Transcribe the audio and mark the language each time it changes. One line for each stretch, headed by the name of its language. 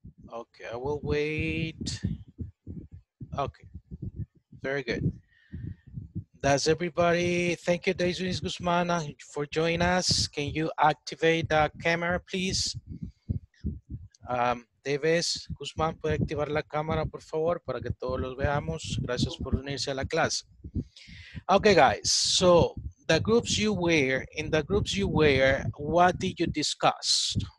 English: Okay, I will wait. Okay, very good. Does everybody, thank you, Daisy Guzmán, for joining us. Can you activate the camera, please?
Spanish: Davis Guzmán, puede activar la cámara, por favor, para que todos los veamos. Gracias por unirse a la clase.
English: Okay, guys, so. In the groups you were, what did you discuss?